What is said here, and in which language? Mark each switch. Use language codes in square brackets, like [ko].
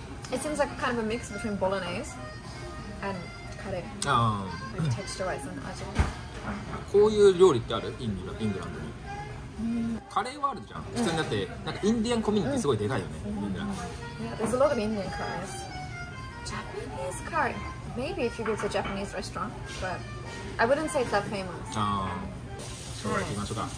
[en] It seems like kind of a mix between bolognese and curry. Oh. Like texture-wise and aji. [ja] こういう料理ってある？イングランドに、うん、カレーはあるじゃん、普通に。だってなんかインディアンコミュニティすごいでかいよね、うん、イングランド。 [en] Yeah, there's a lot of Indian curries. Japanese curry? Maybe if you go to a Japanese restaurant, but I wouldn't say it's that famous. [ja] あー、紹介しましょうか。